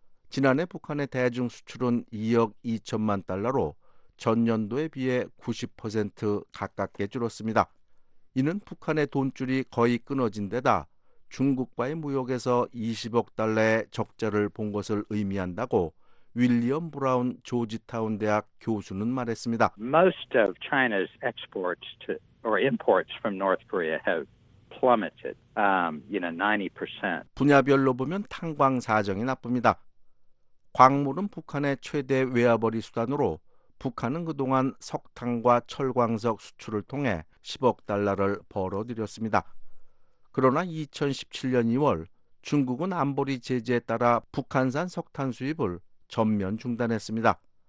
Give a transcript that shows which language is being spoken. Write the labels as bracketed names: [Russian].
[Korean] 지난해 북한의 대중 수출은 2억 2천만 달러로 전년도에 비해 90% 가깝게 줄었습니다. 이는 북한의 돈줄이 거의 끊어진 데다 중국과의 무역에서 20억 달러의 적자를 본 것을 의미한다고 윌리엄 브라운 조지타운 대학 교수는 말했습니다. [English] Most of China's exports to or imports from North Korea have plummeted, you know, 90%. [Korean] 분야별로 보면 탄광 사정이 나쁩니다. 광물은 북한의 최대 외화벌이 수단으로 북한은 그동안 석탄과 철광석 수출을 통해 10억 달러를 벌어들였습니다. 그러나 2017년 2월 중국은 안보리 제재에 따라 북한산 석탄 수입을 전면 중단했습니다.